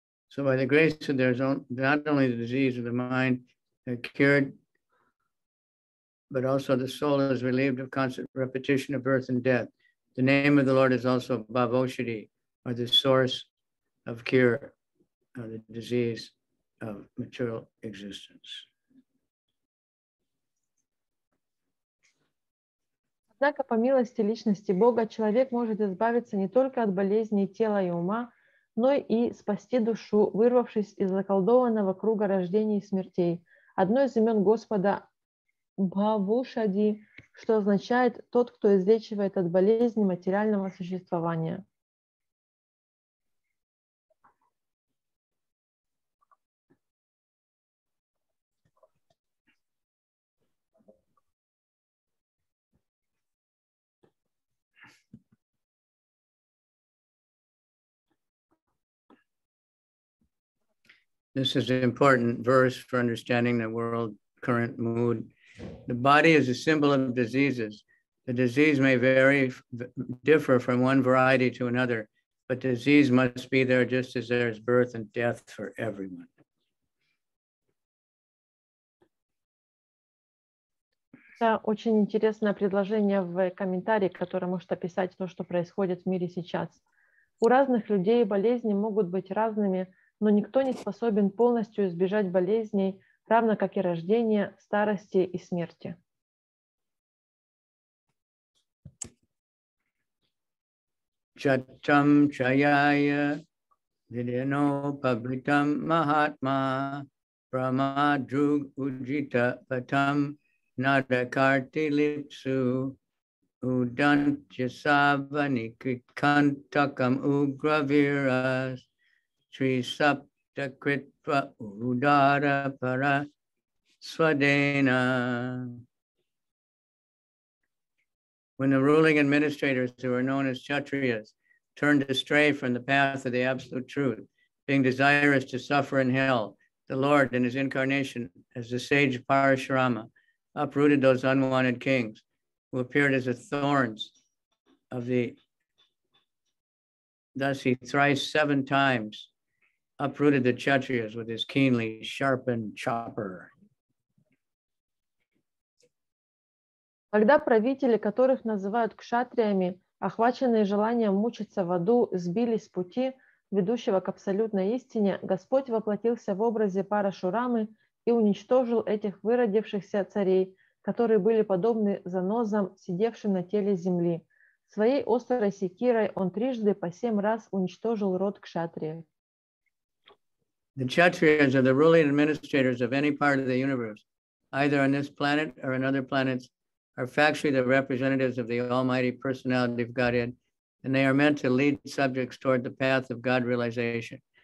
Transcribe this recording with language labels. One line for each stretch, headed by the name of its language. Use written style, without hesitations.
English: So by the grace of there's not only the disease of the mind cured, but also the soul is relieved of constant repetition of birth and death. The name of the Lord is also Bhavoshadi, or the source of cure of the disease of material existence.
Russian: Однако по милости личности Бога человек может избавиться не только от болезней тела и ума, но и спасти душу, вырвавшись из заколдованного круга рождений и смертей. Одно из имен Господа – Бхавушади, что означает «тот, кто излечивает от болезни материального существования».
English: This is an important verse for understanding the world current mood. The body is a symbol of diseases. The disease may differ from one variety to another, but disease must be there just as there is birth and death for everyone.
Russian: Это очень интересное предложение в комментарии, которое может описать то, что происходит в мире сейчас. У разных людей болезни могут быть разными, но никто не способен полностью избежать болезней, равно как и рождения, старости и смерти.
Sanskrit: Чатам чаяя видено пабритам махатма брама друг уджита патам надакарти липсу уданчасавани кантакам угравирас Sri Sapta Kritva Udara Para Swadena.
English: When the ruling administrators, who are known as Kshatriyas, turned astray from the path of the absolute truth, being desirous to suffer in hell, the Lord in his incarnation as the sage Parashurama uprooted those unwanted kings who appeared as the thorns of the. Thus he thrice seven times uprooted the Kshatriyas with his keenly sharpened chopper.
Russian: Когда правители, которых называют кшатриями, охваченные желанием мучиться в аду, сбились с пути, ведущего к абсолютной истине, Господь воплотился в образе Парашурамы и уничтожил этих выродившихся царей, которые были подобны занозам, сидевшим на теле земли. Своей острой секирой он трижды по семь раз уничтожил род кшатриев.
English: The Kshatriyas are the ruling administrators of any part of the universe, either on this planet or on other planets, are factually the representatives of the Almighty Personality of Godhead, and they are meant to lead subjects toward the path of God realization.